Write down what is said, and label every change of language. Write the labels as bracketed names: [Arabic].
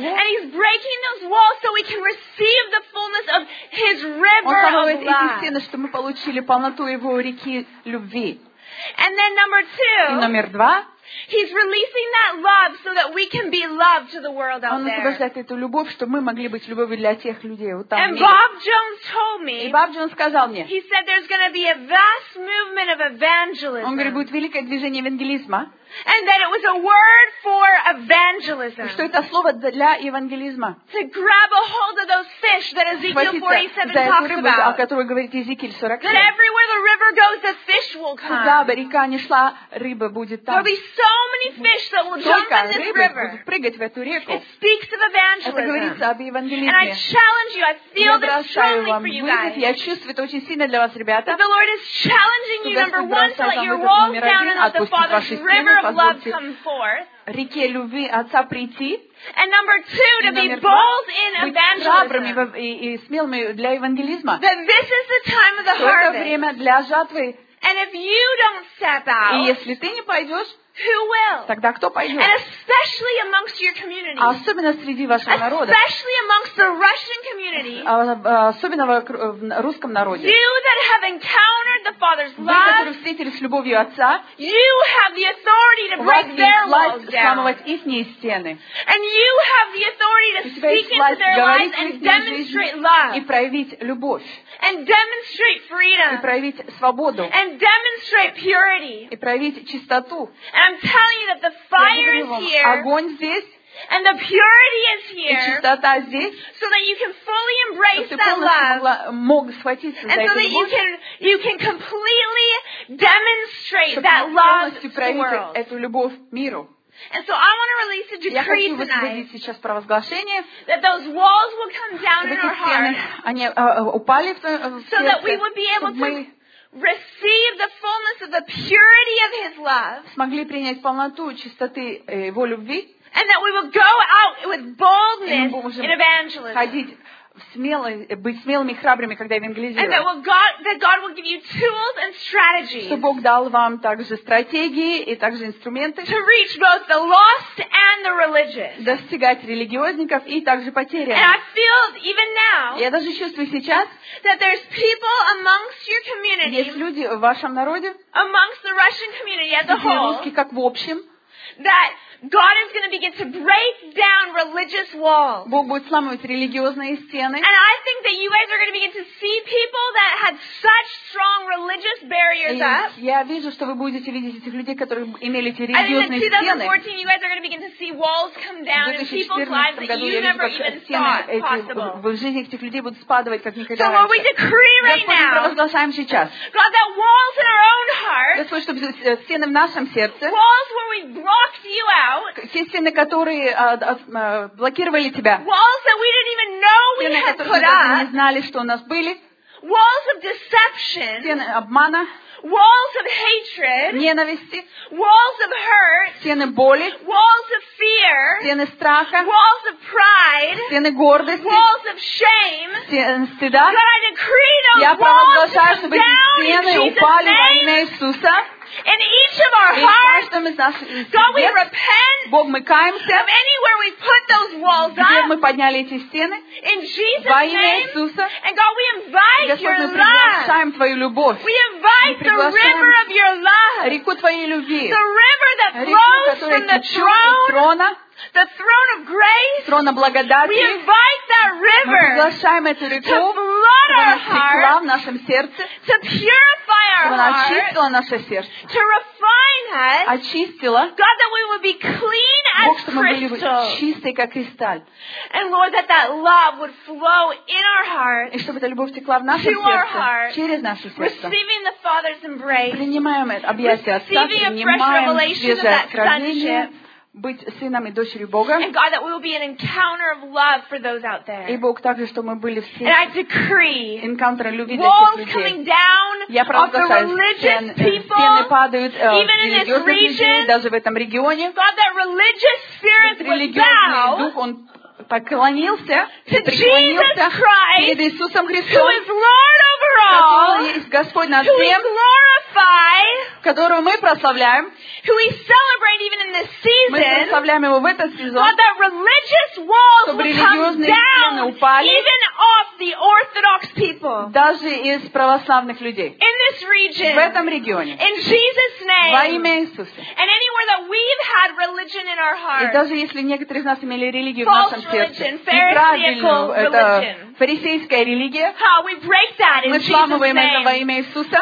[English] And He's breaking those walls so we can receive. Receive the fullness of His river of love. [Russian] Он ломает эти стены, чтобы мы получили полноту Его реки любви. [English] And then number two. [Russian] И номер два. [English] He's releasing that love so that we can be love to the world out there. [Russian] Он освобождает эту любовь, чтобы мы могли быть любовью для тех людей вот там. [English] And Bob Jones told me. [Russian] И Боб Джонс сказал мне. [English] He said there's going to be a vast movement of evangelism. [Russian] Он говорит, будет великое движение евангелизма. [English] And that it was a word for evangelism. [Russian] Что это слово для евангелизма? [English] To grab a hold of those fish that Ezekiel 47 talks about. [Russian] О которой говорит Иезекииль 47. [English] That everywhere the river goes, the fish will come. [Russian] Куда бы река ни шла, рыба будет там. [English] There'll be so many fish that will jump in this river. [Russian] Будут прыгать в эту реку. [English] It speaks of evangelism. [Russian] Это говорит об евангелизме. [English] And I challenge you. I feel this strongly for you guys. [Russian] Я чувствую это очень сильно для вас, ребята. [English] The Lord is challenging you, number one, to let your walls down and let the Father's river [Russian] реке любви Отца прийти. [English] And number two, to be bold in evangelism. [Russian] Быть храбрыми и смелыми для евангелизма. [English] That this is the time of the harvest. [Russian] Это время для жатвы. [English] And if you don't step out, [Russian] и если ты не пойдешь, [English] who will? [Russian] Тогда кто пойдет? [English] And especially amongst your community. [Russian] Особенно среди вашего народа. [English] Especially amongst the Russian community. [Russian] Особенно в русском народе. [English] You that have encountered the Father's love. [Russian] Вы, которые встретились с любовью Отца. [English] You have the authority to break their walls down. [Russian] У вас есть власть сломать ихние стены. [English] And you have the authority to speak into their lives and demonstrate love. [Russian] И проявить любовь. [English] And demonstrate freedom. [Russian] И проявить свободу. [English] And demonstrate purity. [Russian] И проявить чистоту. [English] And I'm telling you that the fire is here. [Russian] Огонь здесь. [English] And the purity is here. [Russian] И чистота здесь. [English] So that you can fully embrace that love. [Russian] Мог схватиться за эту любовь. [English] And so that you can completely demonstrate that love to the world. [Russian] Чтобы проявить эту любовь миру. [English] And so I want to release a decree tonight. [Russian] Сейчас провозглашение. [English] That those walls will come down in our hearts. [Russian] Они упали в [English] So that we would be able to receive the fullness of the purity of His love. [Russian] Смогли принять полноту чистоты Его любви. [English] And that we will go out with boldness in evangelism. [Russian] Ходить быть смелыми и храбрыми, когда евангелизируем. [English] And that God will give you tools and strategies. [Russian] Чтобы Бог дал вам также стратегии и также инструменты. [English] To reach both the lost and the religious. [Russian] Достигать религиозников и также потерянных. [English] And I feel even now. [Russian] Я даже чувствую сейчас. [English] That there's people amongst your community. [Russian] Есть люди в вашем народе. [English] Amongst the Russian community as a whole. [Russian] Русские как в общем. [English] That God is going to begin to break down religious walls. [Russian] Бог будет сломать религиозные стены. [English] And I think that you guys are going to begin to see people that had such strong religious barriers up. [Russian] Я вижу, что вы будете видеть этих людей, которые имели эти религиозные стены. [English] And in 2014, you guys are going to begin to see walls come down in people's lives that you never even thought possible. [Russian] В жизни этих людей будут спадывать как никогда. [English] So what we decree right now? [Russian] Господи, провозглашаем сейчас. [English] God, that walls in our own heart. [Russian] Господи, чтобы стены в нашем сердце. [English] Walls where we blocked you out. [Russian] Те стены, которые блокировали тебя. [English] Walls that we didn't even know we [Russian] стены, [English] had [Russian] которые мы не знали, что у нас были. [English] Walls of deception. [Russian] Стены обмана. [English] Walls of hatred. [Russian] Ненависти. [English] Walls of hurt. [Russian] Стены боли. [English] Walls of fear. [Russian] Стены страха. [English] Walls of pride. [Russian] Стены гордости. [English] Walls of shame. [Russian] Стены стыда. [English] God, I decree those [Russian] Я провозглашаю, чтобы эти стены упали во имя Иисуса. [English] In each of our hearts, God, we repent. [Russian] Бог, мы каемся. [English] Of anywhere we put those walls up. [Russian] Где мы подняли эти стены? [English] In Jesus' name. [Russian] Во имя Иисуса. [English] And God, we invite your love. [Russian] Господь, мы приглашаем твою любовь. [English] We invite the river of your love. [Russian] Реку твоей любви. [English] The river that flows from the throne. The throne of grace. [Russian] Трона благодати. [English] We invite that river. [Russian] Мы приглашаем эту реку. [English] To flood our hearts. [Russian] В нашем сердце. [English] To purify our hearts. [Russian] Чтобы она очистила наше сердце. [English] To refine us. [Russian] Очистила. [English] God, that we would be clean as crystal. [Russian] Бог, чтобы мы были чистые как кристаль. [English] And Lord, that love would flow in our hearts. [Russian] И чтобы эта любовь текла в наше сердце. [English] To our hearts. [Russian] Через наше сердце. [English] Receiving the Father's embrace. [Russian] Принимаем объятия Отца. [English] Receiving a fresh revelation of that sonship. [Russian] Быть сыном и дочерью Бога. [English] And God, that we will be an encounter of love for those out there. [Russian] И Бог также, что мы были все. [English] And I decree. [Russian] Encounter любви для всех людей. [English] Walls coming down of the religious people. [Russian] Стены падают. [English] Even in this region. [Russian] Даже в этом регионе. [English] God, that religious spirit would bow. [Russian] Дух он поклонился. [English] To Jesus Christ. [Russian] Перед Иисусом Христом. [English] Who is Lord over all. [Russian] Который есть Господь над всем. [English] Who we glorify. [Russian] Которого мы прославляем. [English] Who we celebrate even in this season. [Russian] Мы прославляем его в этот сезон. [English] God, that religious walls will come down even off the orthodox people. [Russian] Даже из православных людей. [English] In this region. [Russian] В этом регионе. [English] In Jesus' name. [Russian] Во имя Иисуса. [English] And anywhere that we've had religion in our hearts. [Russian] И даже если некоторые из нас имели религию [English] False [Russian] в нашем сердце. Неправильную. Фарисейская религия. [English] How we break that in [Russian] мы сламываем это во имя Иисуса.